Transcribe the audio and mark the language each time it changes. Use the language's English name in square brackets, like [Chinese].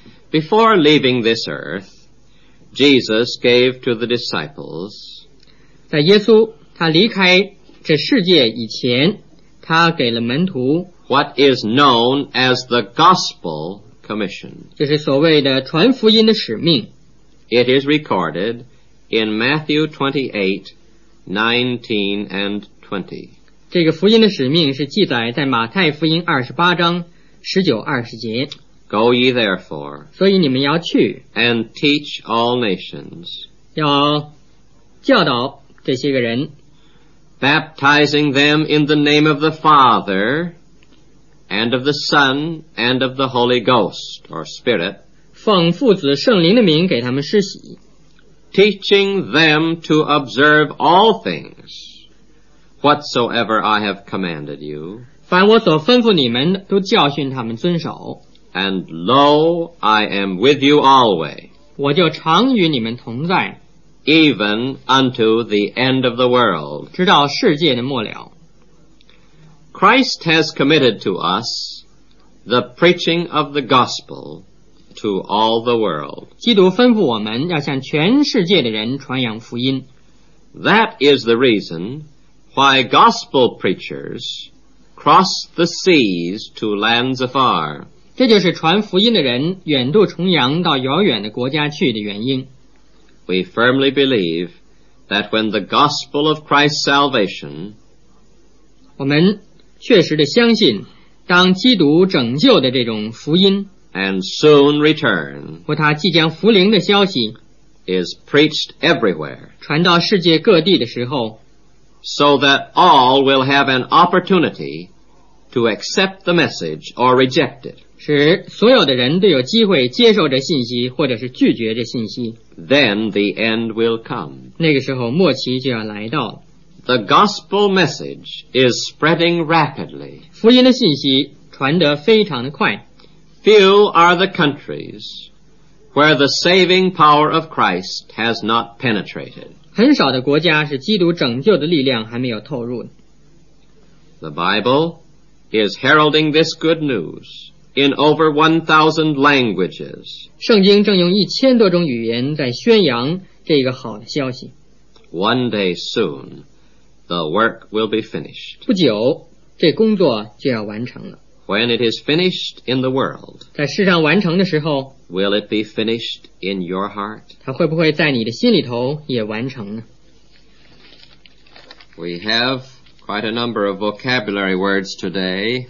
[English] Before leaving this earth, Jesus gave to the disciples, [Chinese] 在耶稣他离开这世界以前他给了门徒 [English] what is known as the gospel commission. [Chinese] 就是所谓的传福音的使命。 [English] It is recorded,In Matthew 28, 19 and 20. [Chinese] 这个福音的使命是记载在马太福音28章19-20节。 [English] Go ye therefore. [Chinese] 所以你们要去。 [English] And teach all nations. [Chinese] 要教导这些个人。 [English] Baptizing them in the name of the Father, and of the Son, and of the Holy Ghost, or Spirit. [Chinese] 奉父子圣灵的名给他们施洗。 [English] Teaching them to observe all things whatsoever I have commanded you. [Chinese] 凡我所吩咐你们都教训他们遵守。 [English] And lo, I am with you always. [Chinese] 我就常与你们同在。 [English] Even unto the end of the world. [Chinese] 直到世界的末了。 [English] Christ has committed to us the preaching of the gospel. To all the world. [Chinese] 基督吩咐我们要向全世界的人传扬福音。 [English] That is the reason why gospel preachers cross the seas to lands afar. [Chinese] 这就是传福音的人远渡重洋到遥远的国家去的原因。 [English] We firmly believe that when the gospel of Christ's salvation, [Chinese] 我们确实地相信当基督拯救的这种福音 [English] And soon return, [Chinese] 或他即将福临的消息 [English] is preached everywhere, [Chinese] 传到世界各地的时候 [English] so that all will have an opportunity to accept the message or reject it. [Chinese] 使所有的人都有机会接受这信息或者是拒绝这信息 [English] then the end will come. [Chinese] 那个时候末期就要来到 [English] The gospel message is spreading rapidly. [Chinese] 福音的信息传得非常的快 [English] Few are the countries where the saving power of Christ has not penetrated. [Chinese] 很少的国家是基督拯救的力量还没有透入。 [English] The Bible is heralding this good news in over 1,000 languages. [Chinese] 圣经正用一千多种语言在宣扬这个好的消息。 [English] One day soon, the work will be finished. [Chinese] 不久，这工作就要完成了。 [English] When it is finished in the world, [Chinese] 在世上完成的时候 [English] will it be finished in your heart? [Chinese] 它会不会在你的心里头也完成呢? [English] We have quite a number of vocabulary words today.